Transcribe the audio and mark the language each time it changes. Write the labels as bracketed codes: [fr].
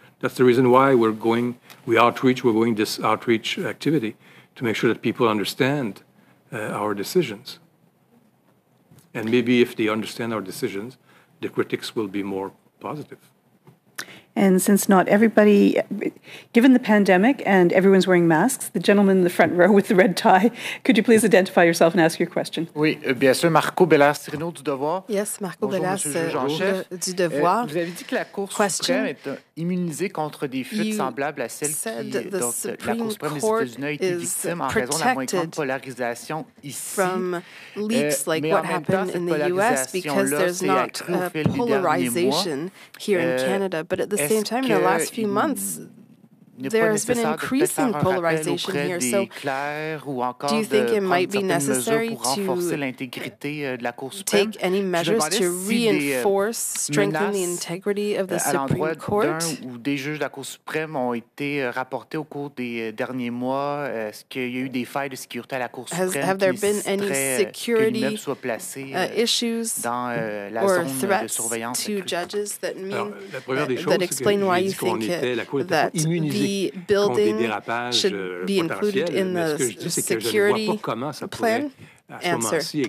[en] That's the reason why we're going this outreach activity, to make sure that people understand our decisions. And maybe if they understand our decisions, the critics will be more positive. And since not everybody, given the pandemic and everyone's wearing masks, the gentleman in the front row with the red tie, could you please identify yourself and ask your question? [fr] Oui, bien sûr, Marco Bellas, Cyrano du Devoir. [en] Yes, Marco Bellas, du Devoir. [fr] Vous avez dit que la Cour suprême est immunisée contre des fuites semblables à celles qui, donc, la Cour suprême des États-Unis a été victime en raison de la moins grande polarisation ici. [en] From leaks like what happened in the U.S. because there's not polarization here in Canada, but at the same time, in the last few months, there has been increasing polarization here. So, do you think it might be necessary to take any measures to reinforce, strengthen the integrity of the Supreme Court? [fr] Ou des juges de la Cour suprême ont été rapportés au cours des derniers mois? Est-ce qu'il y a eu des failles de sécurité à la Cour suprême? [en] Have there been any security issues or threats to judges that mean that explain why you think that the building should be included in the security plan? Answer.